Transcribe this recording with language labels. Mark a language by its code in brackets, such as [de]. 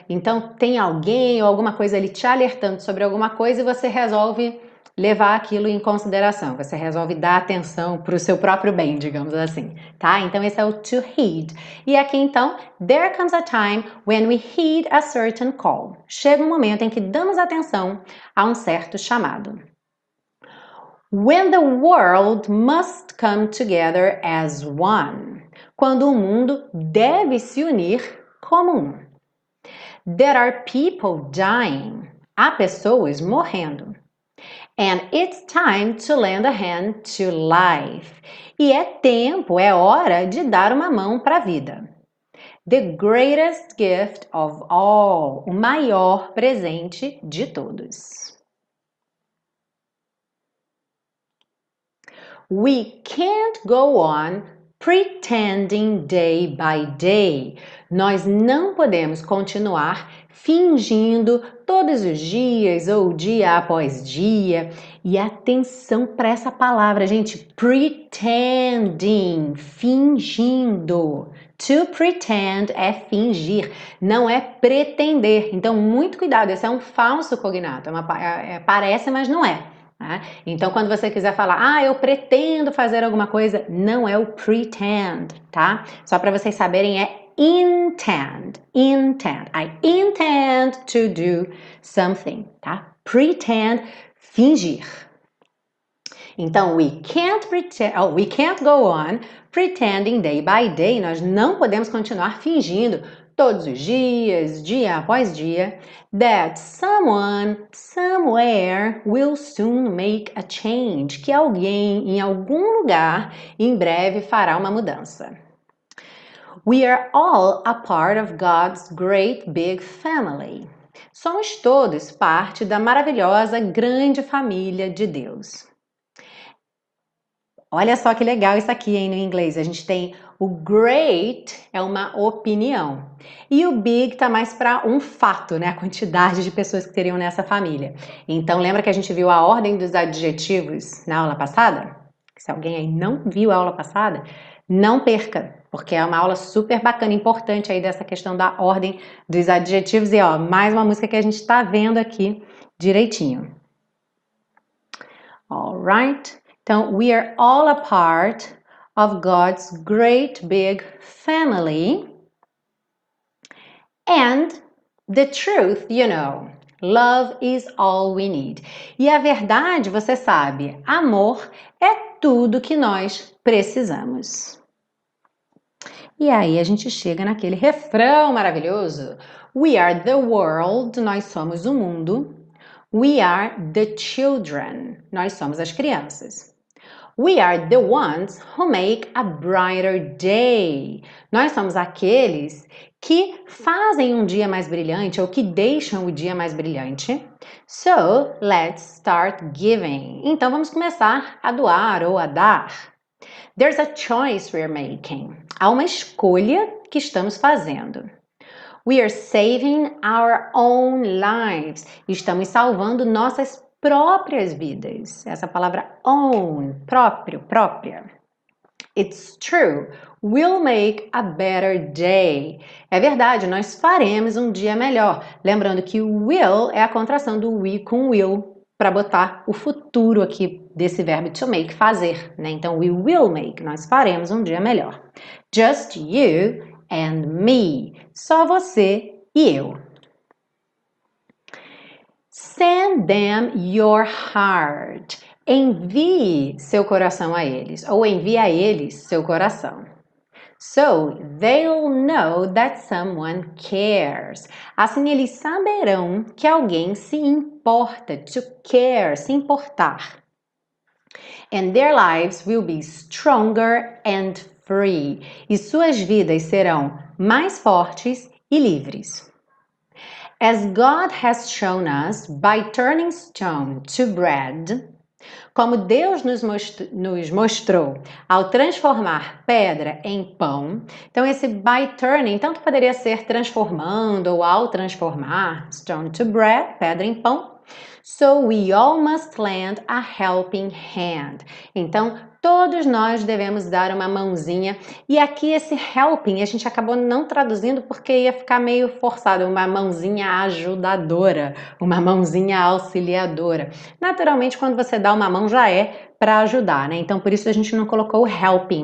[pt] Então tem alguém ou alguma coisa ali te alertando sobre alguma coisa e você resolve levar aquilo em consideração. Você resolve dar atenção para o seu próprio bem, digamos assim, tá? Então esse é o [en] to heed. [pt] E aqui então, [en] there comes a time when we heed a certain call. [pt] Chega um momento em que damos atenção a um certo chamado. [en] When the world must come together as one. [pt] Quando o mundo deve se unir como um. [en] There are people dying. [pt] Há pessoas morrendo. [en] And it's time to lend a hand to life. [pt] E é tempo, é hora de dar uma mão para a vida. [en] The greatest gift of all, [pt] o maior presente de todos. [en] We can't go on pretending day by day. [pt] Nós não podemos continuar fingindo todos os dias ou dia após dia. E atenção para essa palavra, gente. Pretending, fingindo. To pretend é fingir, não é pretender. Então, muito cuidado, esse é um falso cognato. Parece, mas não é. Então, quando você quiser falar, ah, eu pretendo fazer alguma coisa, não é o pretend, tá? Só para vocês saberem, é intend, intend. [en] I intend to do something, tá? Pretend, fingir. Então, we can't pretend, oh, we can't go on pretending day by day. [pt] Nós não podemos continuar fingindo todos os dias, dia após dia, [en] that someone, somewhere will soon make a change. [pt] Que alguém, em algum lugar, em breve fará uma mudança. [en] We are all a part of God's great big family. [pt] Somos todos parte da maravilhosa grande família de Deus. Olha só que legal isso aqui, hein, no inglês. A gente tem o great é uma opinião. E o big tá mais para um fato, né? A quantidade de pessoas que teriam nessa família. Então, lembra que a gente viu a ordem dos adjetivos na aula passada? Se alguém aí não viu a aula passada, não perca, porque é uma aula super bacana, importante aí dessa questão da ordem dos adjetivos. E ó, mais uma música que a gente tá vendo aqui direitinho. [en] All right. Então, we are all a part of God's great big family. And the truth, you know, love is all we need. [pt] E a verdade, você sabe, amor é tudo que nós precisamos. E aí a gente chega naquele refrão maravilhoso. [en] We are the world, [pt] nós somos o mundo. [en] We are the children. Nós somos as crianças. We are the ones who make a brighter day. [pt] Nós somos aqueles que fazem um dia mais brilhante ou que deixam o dia mais brilhante. [en] So, let's start giving. [pt] Então, vamos começar a doar ou a dar. [en] There's a choice we're making. [pt] Há uma escolha que estamos fazendo. [en] We are saving our own lives. [pt] Estamos salvando nossas próprias vidas. Essa palavra own, próprio, própria. [en] It's true. We'll make a better day. [pt] É verdade, nós faremos um dia melhor. Lembrando que will é a contração do we com will para botar o futuro aqui desse verbo to make, fazer, né? Então, [en] we will make, [pt] nós faremos um dia melhor. [en] Just you and me, [pt] só você e eu. [en] Send them your heart. [pt] Envie seu coração a eles, ou envie a eles seu coração. [en] So they'll know that someone cares. [pt] Assim eles saberão que alguém se importa. To care, se importar. [en] And their lives will be stronger and free. [pt] E suas vidas serão mais fortes e livres. [en] As God has shown us by turning stone to bread, [pt] como Deus nos mostrou ao transformar pedra em pão, então esse by turning, tanto poderia ser transformando ou ao transformar stone to bread, pedra em pão. [en] So we all must lend a helping hand. [pt] Então, todos nós devemos dar uma mãozinha. E aqui esse helping, a gente acabou não traduzindo porque ia ficar meio forçado. Uma mãozinha ajudadora, uma mãozinha auxiliadora. Naturalmente, quando você dá uma mão, já é para ajudar, né? Então, por isso a gente não colocou o helping.